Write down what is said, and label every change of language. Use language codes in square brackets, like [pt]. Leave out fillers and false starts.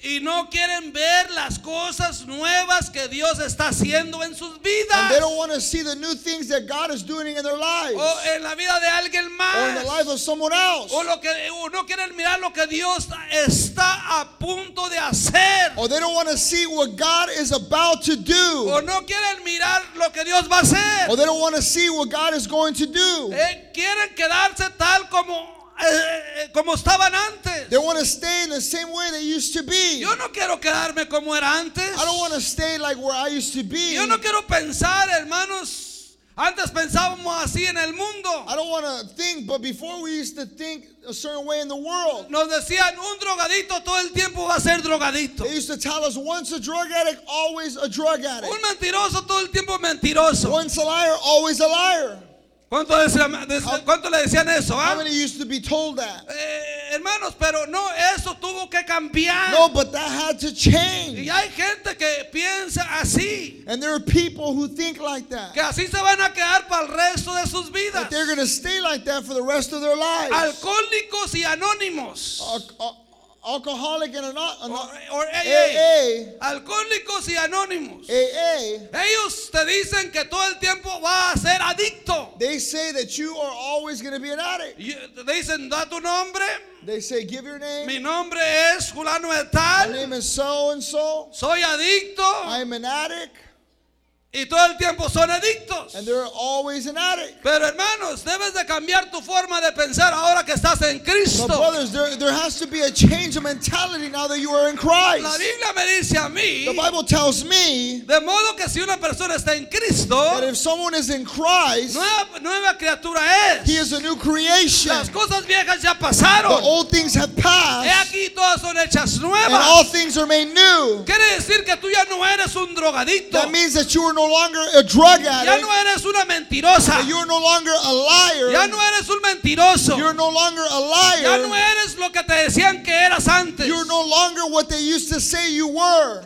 [es] Y no quieren ver las cosas nuevas que Dios está haciendo en sus vidas. [en] And they don't want to see the new things that God is doing in their lives. [es] O en la vida de alguien más. [en] Or in the life of someone else. [es] O lo que o no quieren mirar lo que Dios está a punto de hacer. [en] Or they don't want to see what God is about to do. [es] O no quieren mirar lo que Dios va a hacer. [en] Or they don't want to see what God is going to do. [es] Quieren quedarse tal como como estaban antes. [en] They want to stay in the same way they used to be. [es] Yo no quiero quedarme como era antes. [en] I don't want to stay like where I used to be. [es] Yo no quiero pensar, hermanos. Antes pensábamos así en el mundo. [en] I don't want to think, but before we used to think a certain way in the world. [es] Nos decían, un drogadito todo el tiempo va a ser drogadito. [en] They used to tell us, once a drug addict, always a drug addict. [es] Un mentiroso todo el tiempo mentiroso. [en] Once a liar, always a liar. [es] ¿Cuánto le decían eso? [en] How many used to be told that? [es] Hermanos, pero no, eso tuvo que cambiar. [en] No, but that had to change. [es] Y hay gente que piensa así. [en] And there are people who think like that. [es] Que así se van a quedar para el resto de sus vidas. [en] That they're going to stay like that for the rest of their lives. [es] Alcohólicos y anónimos. [en] Alcoholic and or AA. [es] Alcohólicos y anónimos. [en] AA. [es] Ellos te dicen que todo el tiempo va a ser adicto. [en] They say that you are always going to be an addict. [es] They dicen, da tu nombre. [en] They say, give your name. [es] Mi nombre es Julano Etal. [en] My name is so and so. [es] Soy adicto. [en] I'm an addict. [es] Y todo el tiempo son adictos. [en] And they're always an addict. [es] Pero hermanos, debes de cambiar tu forma de pensar ahora que estás en Cristo. [en] But brothers, there has to be a change of mentality now that you are in Christ. [es] La Biblia me dice a mí. [en] The Bible tells me. [es] De modo que si una persona está en Cristo. [en] That if someone is in Christ. [es] Nueva criatura es. [en] He is a new creation. [es] Las cosas viejas ya pasaron. [en] The old things have passed. [es] He aquí todas son hechas nuevas. [en] And all things are made new. [es] Quiere decir que tú ya no eres un drogadicto. [en] That means that you are no longer a drug addict. [es] Ya no eres una mentirosa. [en] You are no longer a liar. [es] Ya no eres un mentiroso. [en] You are no longer a liar. [es] Ya no eres lo que te decían que eras antes. [en] You are no longer what they used to say you were.